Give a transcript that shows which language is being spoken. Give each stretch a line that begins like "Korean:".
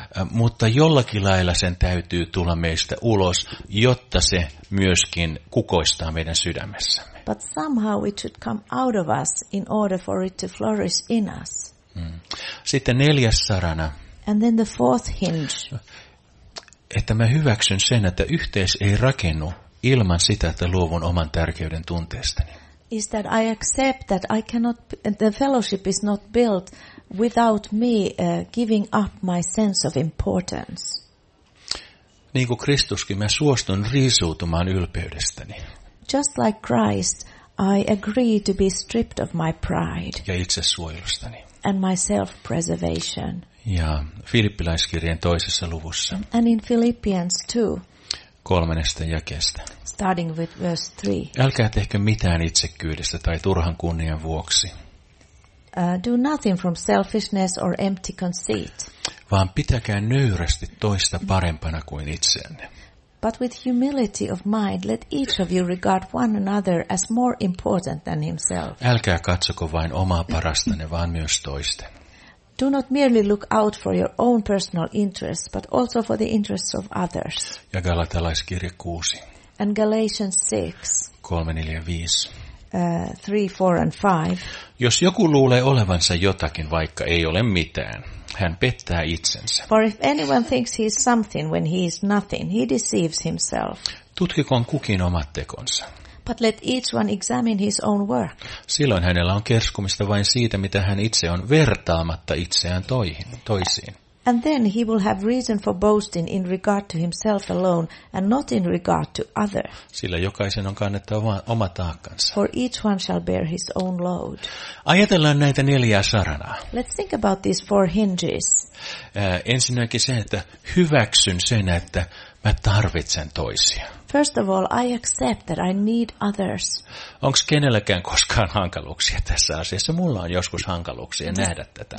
Finnish: Mutta jollakin lailla sen täytyy tulla meistä ulos, jotta se myöskin kukoistaa meidän sydämessämme.
English: But somehow it should come out of us in order for it to flourish in us.
Finnish: Sitten neljäs sarana.
English: And then the fourth hinge.
Finnish: Että mä hyväksyn sen, että yhteys ei rakennu ilman sitä, että luovun oman tärkeyden tunteestani.
English: Is that I accept that I cannot, the fellowship is not built without me giving up my sense of importance.
Finnish: Niin kuin Kristuskin, mä suostun riisuutumaan ylpeydestäni.
English: Just like Christ, I agree to be stripped of my pride.
Finnish: Ja itsesuojelustani.
English: And my self-preservation.
Finnish: Ja Filippiläiskirjeen toisessa luvussa.
English: And in Philippians 2.
Finnish: 3. jakeesta.
English: Starting with verse 3.
Finnish: Älkää tehkö mitään itsekkyydestä tai turhan kunnian vuoksi.
English: Do nothing from selfishness or empty conceit.
Finnish: Vaan pitäkää nöyrästi toista parempana kuin itseänne.
English: But with humility of mind, let each of you regard one another as more important than himself.
Finnish: Älkää katsoko vain omaa parastanne, vaan myös toisten.
English: Do not merely look out for your own personal interests, but also for the interests of others.
Finnish: Ja Galatalaiskirje 6.
English: And Galatians 6.
Finnish: 3:4-5.
English: 3:4-5.
Finnish: Jos joku luulee olevansa jotakin, vaikka ei ole mitään, hän pettää itsensä.
English: For if anyone thinks he is something when he is nothing, he deceives himself.
Finnish: Tutkikoon kukin omat tekonsa.
English: But let each one examine his own work.
Finnish: Silloin hänellä on kerskumista vain siitä, mitä hän itse on, vertaamatta itseään toisiin.
English: And then he will have reason for boasting in regard to himself alone and not in regard to others.
Finnish: Sillä jokaisen on kannettava oma taakkansa.
English: For each one shall bear his own load.
Finnish: Ajatellaan näitä neljää saranaa.
English: Let's think about these four hinges.
Finnish: Ensinnäkin se, että hyväksyn sen, että mä tarvitsen toisia.
English: First of all, I accept that I need others.
Finnish: Onks kenelläkään koskaan hankaluuksia tässä asiassa? Mulla on joskus hankaluuksia nähdä tätä